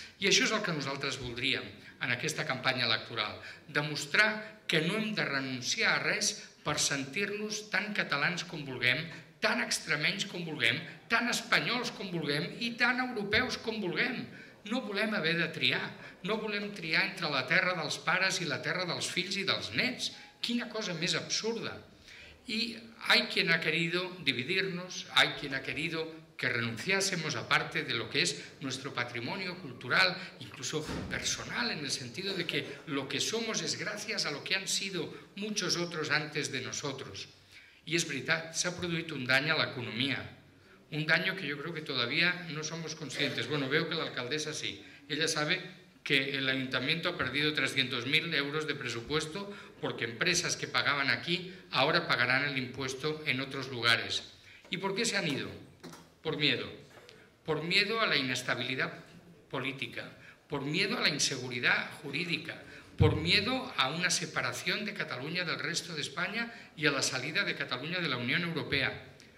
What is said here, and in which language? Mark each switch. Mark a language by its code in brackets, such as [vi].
[ca] I això és el que nosaltres voldríem en aquesta campanya electoral, demostrar que no hem de renunciar a res per sentir-nos tan catalans com vulguem, tan extremenys com vulguem, tan espanyols com vulguem i tan europeus com vulguem. No volem haver de triar, no volem triar entre la terra dels pares i la terra dels fills i dels nets. Quina cosa més absurda. [es] I hay quien ha querido dividirnos, hay quien ha querido que renunciásemos a parte de lo que es nuestro patrimonio cultural, incluso personal, en el sentido de que lo que somos es gracias a lo que han sido muchos otros antes de nosotros. [ca] I és veritat, s'ha produït un dany a l'economia, un dany que jo crec que [es] todavía no somos conscientes. Bueno, veo que l'alcaldessa sí, ella sabe que el ayuntamiento ha perdido 300.000 euros de presupuesto porque empresas que pagaban aquí ahora pagarán el impuesto en otros lugares. ¿Y por qué se han ido? Por miedo a la inestabilidad política, por miedo a la inseguridad jurídica, por miedo a una separación de Cataluña del resto de España y a la salida de Cataluña de la Unión Europea.